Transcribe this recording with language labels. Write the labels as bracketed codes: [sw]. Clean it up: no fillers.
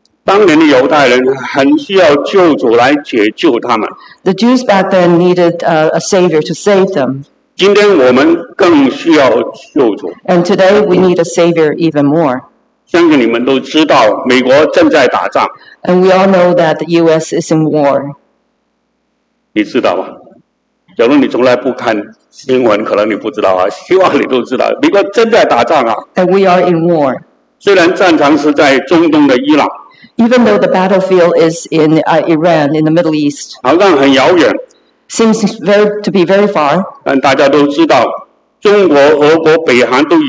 [en] The Jews back then needed a Savior to save them. And today we need a Savior even more. And we all know that the U.S. is in war. [zh] 你知道吗? 假如你从来不看新闻,可能你不知道啊, 希望你都知道, [en] and we are in war. [zh] 虽然战场是在中东的伊朗, [en] even though the battlefield is in Iran, in the Middle East, [zh] 好像很遥远, [en] seems very, to be very far. [zh] 但大家都知道, 中国, 俄国, 北韩,